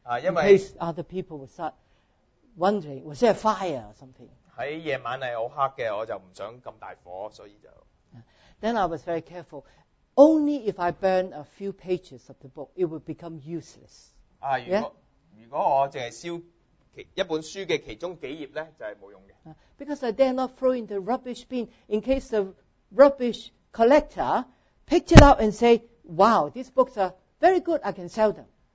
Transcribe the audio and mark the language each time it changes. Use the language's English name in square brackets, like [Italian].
[English] In case other people would start wondering, was there a fire or something? [Cantonese] 喺夜晚係好黑嘅，我就唔想咁大火，所以就。 [English] Then I was very careful. Only if I burn a few pages of the book, it would become useless. [Cantonese] 如果我淨係燒一本書嘅其中幾頁咧，就係冇用嘅。 [English] Because I dare not throw in the rubbish bin in case the rubbish collector picked it up and say, wow, these books are very good, I can sell them.